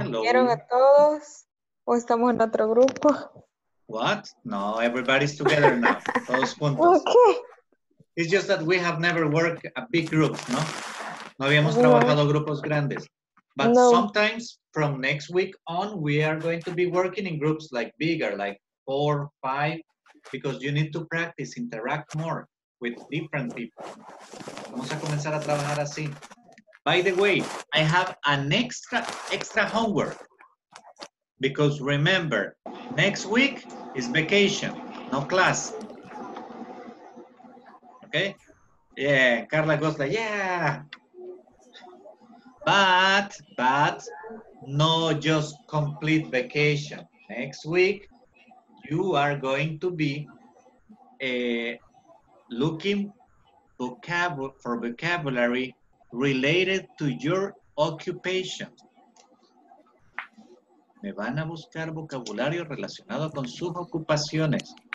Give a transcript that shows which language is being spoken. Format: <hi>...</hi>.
<es>¿Nos vieron a todos o estamos en otro grupo?</es> <en>What? No, everybody's together now.</en> <es>Todos juntos.</es> <en>Okay. It's just that we have never worked a big group, no?</en> <es>No habíamos trabajado grupos grandes. But</es> <en>no. Sometimes from next week on, we are going to be working in groups like bigger, like 4, 5, because you need to practice, interact more with different people.</en> <es>Vamos a comenzar a trabajar así.</es> <en>By the way, I have an extra homework. Because remember, next week is vacation, no class. Okay? Yeah, Carla goes like, yeah. But, no just complete vacation. Next week, you are going to be looking for vocabulary related to your occupation.</en> <es>Me van a buscar vocabulario relacionado con sus ocupaciones.</es>